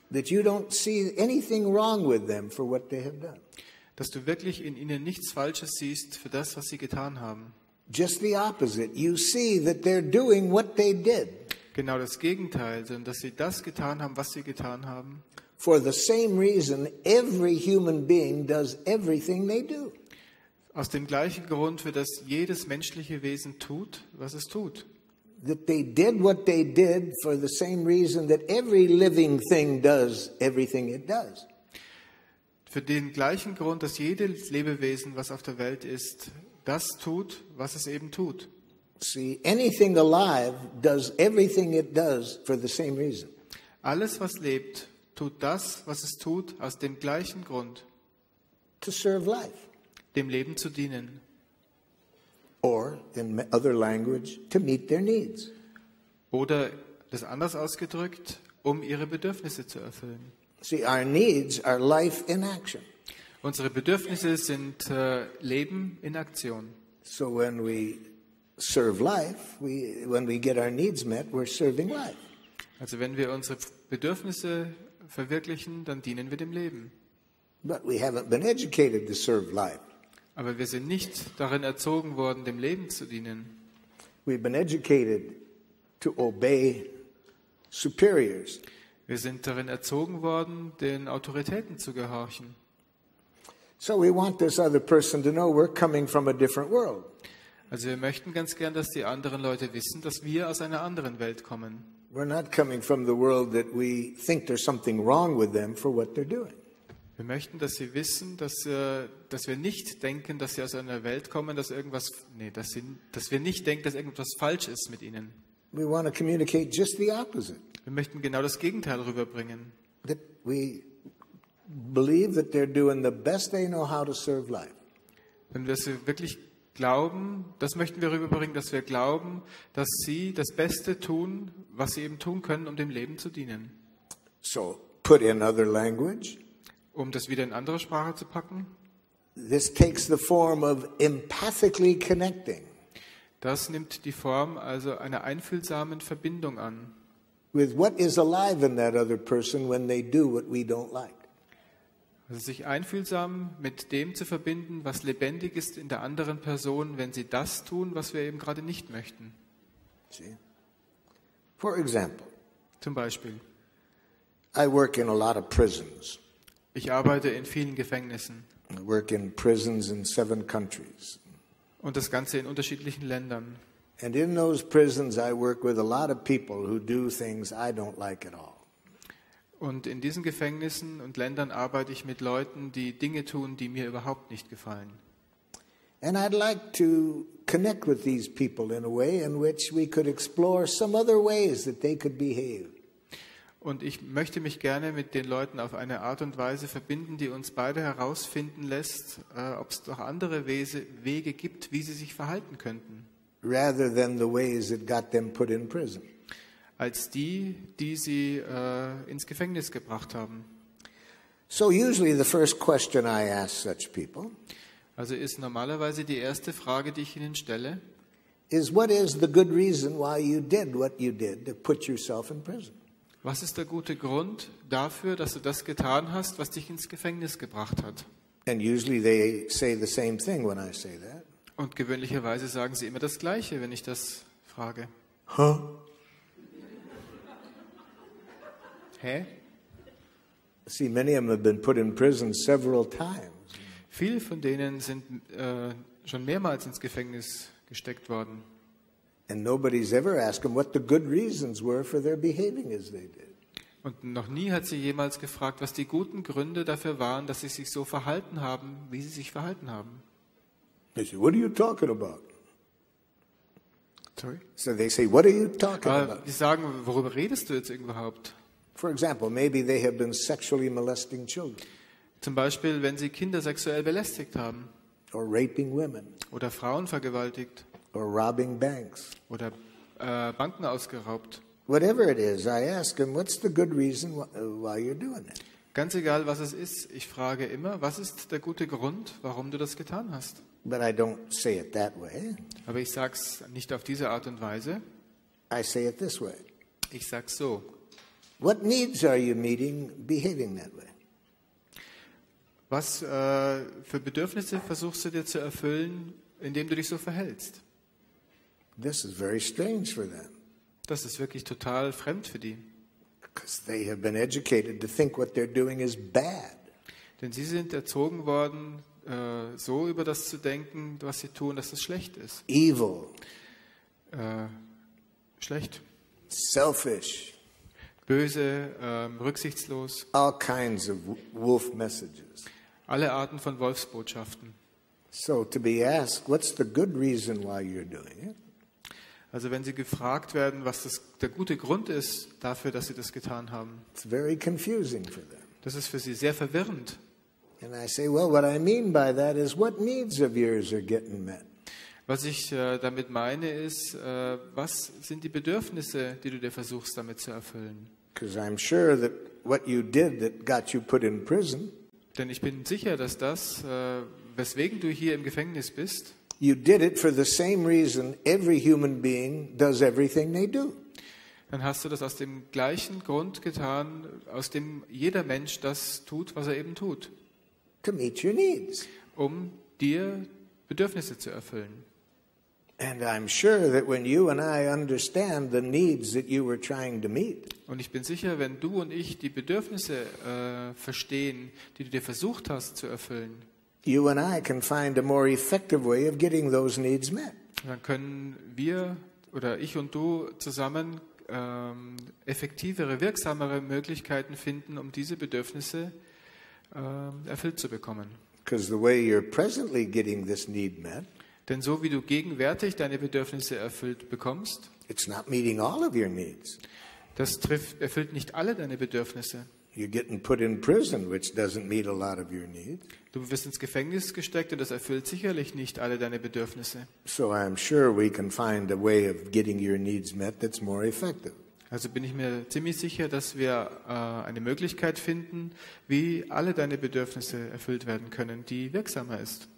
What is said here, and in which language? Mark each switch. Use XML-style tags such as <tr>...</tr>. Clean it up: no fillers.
<en>That you don't see anything wrong with them for what they have done.</en> <de>Dass du wirklich in ihnen nichts Falsches siehst für das, was sie getan haben.</de> <en>Just the opposite. You see that they're doing what they did.</en> <de>Genau das Gegenteil, sondern dass sie das getan haben, was sie getan haben.</de> <en>For the same reason every human being does everything they do.</en> <de>Aus dem gleichen Grund, für das jedes menschliche Wesen tut, was es tut.</de> <en>That they did what they did for the same reason that every living thing does everything it does.</en> <de>Für den gleichen Grund, dass jedes Lebewesen, was auf der Welt ist, das tut, was es eben tut.</de> <en>See, anything alive does everything it does for the same reason.</en> <de>Alles, was lebt, tut das, was es tut, aus dem gleichen Grund.</de> <en>To serve life.</en> <de>Dem Leben zu dienen.</de> <en>Or, in other language, to meet their needs.</en> <de>Oder, das anders ausgedrückt, um ihre Bedürfnisse zu erfüllen.</de> <en>See, our needs are life in action.</en> <de>Unsere Bedürfnisse sind Leben in Aktion.</de> <en>So when we serve life, when we get our needs met, we're serving life.</en> <de>Also wenn wir unsere Bedürfnisse verwirklichen, dann dienen wir dem Leben.</de> <en>But we haven't been educated to serve life.</en> <de>Aber wir sind nicht darin erzogen worden, dem Leben zu dienen.</de> <en>We've been educated to obey superiors.</en> <de>Wir sind darin erzogen worden, den Autoritäten zu gehorchen.</de> <en>So we want this other person to know we're coming from a different world.</en> <de>Also wir möchten ganz gern, dass die anderen Leute wissen, dass wir aus einer anderen Welt kommen.</de> <en>We're not coming from the world that we think there's something wrong with them for what they're doing.</en> <de>Wir möchten, dass sie wissen, dass wir nicht denken, dass sie aus einer Welt kommen, dass irgendwas falsch ist mit ihnen.</de> <en>We want to communicate just the opposite.</en> <de>Wir möchten genau das Gegenteil rüberbringen.</de> <en>That we believe that they're doing the best they know how to serve life.</en> <de>Wenn wir sie wirklich glauben, das möchten wir rüberbringen, dass wir glauben, dass sie das Beste tun, was sie eben tun können, um dem Leben zu dienen.</de> <en>So, put in other language.</en> <de>Um das wieder in andere Sprache zu packen.</de> <en>This takes the form of empathically connecting.</en> <de>Das nimmt die Form also einer einfühlsamen Verbindung an.</de> <en>With what is alive in that other person when they do what we don't like.</en> <de>Also sich einfühlsam mit dem zu verbinden, was lebendig ist in der anderen Person, wenn sie das tun, was wir eben gerade nicht möchten.</de> <en>See? For example,</en> <de>zum Beispiel,</de> <en>I work in a lot of prisons.</en> <de>Ich arbeite in vielen Gefängnissen.</de> <en>I work in prisons in 7 countries.</en> <de>Und das Ganze in unterschiedlichen Ländern.</de> <en>And in those prisons I work with a lot of people who do things I don't like at all.</en> <de>Und in diesen Gefängnissen und Ländern arbeite ich mit Leuten, die Dinge tun, die mir überhaupt nicht gefallen.</de> <en>And I'd like to connect with these people in a way in which we could explore some other ways that they could behave.</en> <de>Und ich möchte mich gerne mit den Leuten auf eine Art und Weise verbinden, die uns beide herausfinden lässt, ob es doch andere Wege gibt, wie sie sich verhalten könnten.</de> <en>Rather than the ways that got them put in prison.</en> <de>Als die sie ins Gefängnis gebracht haben.</de> <en>So usually the first question I ask such people.</en> <de>Also ist normalerweise die erste Frage, die ich ihnen stelle,</de> <en>is what is the good reason why you did what you did to put yourself in prison?</en> <de>Was ist der gute Grund dafür, dass du das getan hast, was dich ins Gefängnis gebracht hat?</de> <en>And usually they say the same thing when I say that.</en> <de>Und gewöhnlicherweise sagen sie immer das Gleiche, wenn ich das frage. Huh? Hä?</de> <en>See, many of them have been put in prison several times.</en> <de>Viele von denen sind schon mehrmals ins Gefängnis gesteckt worden.</de> <en>And nobody's ever asked them what the good reasons were for their behaving as they did.</en> <de>Und noch nie hat sie jemals gefragt, was die guten Gründe dafür waren, dass sie sich so verhalten haben, wie sie sich verhalten haben.</de> <en>They say, what are you talking about? Sorry? So they say, what are you talking about?</en> <de>Sie sagen, worüber redest du jetzt überhaupt?</de> <en>For example, maybe they have been sexually molesting children.</en> <de>Zum Beispiel, wenn sie Kinder sexuell belästigt haben.</de> <en>Or raping women.</en> <de>Oder Frauen vergewaltigt.</de> <en>Or robbing banks.</en> <de>Oder Banken ausgeraubt.</de> <en>Whatever it is, I ask them, what's the good reason why you're doing it?</en> <de>Ganz egal, was es ist, ich frage immer, was ist der gute Grund, warum du das getan hast?</de> <en>But I don't say it that way.</en> <de>Aber ich sag's nicht auf diese Art und Weise.</de> <en>I say it this way.</en> <de>Ich sag's so.</de> <en>What needs are you meeting behaving that way?</en> <de>Was für Bedürfnisse versuchst du dir zu erfüllen, indem du dich so verhältst?</de> <en>This is very strange for them.</en> <de>Das ist wirklich total fremd für die.</de> <en>Because they have been educated to think what they're doing is bad.</en> <de>Denn sie sind erzogen worden, so über das zu denken, was sie tun, dass es schlecht ist.</de> <en>Evil.</en> <de>Schlecht.</de> <en>Selfish.</en> <de>Böse, rücksichtslos.</de> <en>All kinds of wolf messages.</en> <de>Alle Arten von Wolfsbotschaften.</de> <en>So to be asked, what's the good reason why you're doing it?</en> <de>Also wenn sie gefragt werden, was das, der gute Grund ist dafür, dass sie das getan haben.</de> <en>It's very confusing for them.</en> <de>Das ist für sie sehr verwirrend.</de> <en>And I say, well, what I mean by that is, what needs of yours are getting met?</en> <de>Was ich damit meine ist, was sind die Bedürfnisse, die du dir versuchst damit zu erfüllen?</de> <en>Because I'm sure that what you did that got you put in prison.</en> <de>Denn ich bin sicher, dass das, weswegen du hier im Gefängnis bist.</de> <en>You did it for the same reason every human being does everything they do.</en> <de>Dann hast du das aus dem gleichen Grund getan, aus dem jeder Mensch das tut, was er eben tut.</de> <en>To meet your needs.</en> <de>Um dir Bedürfnisse zu erfüllen.</de> <en>And I'm sure that when you and I understand the needs that you were trying to meet.</en> <de>Und ich bin sicher, wenn du und ich die Bedürfnisse verstehen, die du dir versucht hast zu erfüllen.</de> <en>You and I can find a more effective way of getting those needs met.</en> <de>Dann können wir oder ich und du zusammen effektivere, wirksamere Möglichkeiten finden, um diese Bedürfnisse erfüllt zu bekommen.</de> <en>Because the way you're presently getting this need met.</en> <de>Denn so wie du gegenwärtig deine Bedürfnisse erfüllt bekommst,</de> <en>it's not meeting all of your needs.</en> <de>Das erfüllt nicht alle deine Bedürfnisse.</de> <en>You're getting put in prison, which doesn't meet a lot of your needs.</en> <de>Du wirst ins Gefängnis gesteckt und das erfüllt sicherlich nicht alle deine Bedürfnisse.</de> <en>So I'm sure we can find a way of getting your needs met that's more effective.</en> <de>Also bin ich mir ziemlich sicher, dass wir eine Möglichkeit finden, wie alle deine Bedürfnisse erfüllt werden können, die wirksamer ist.</de>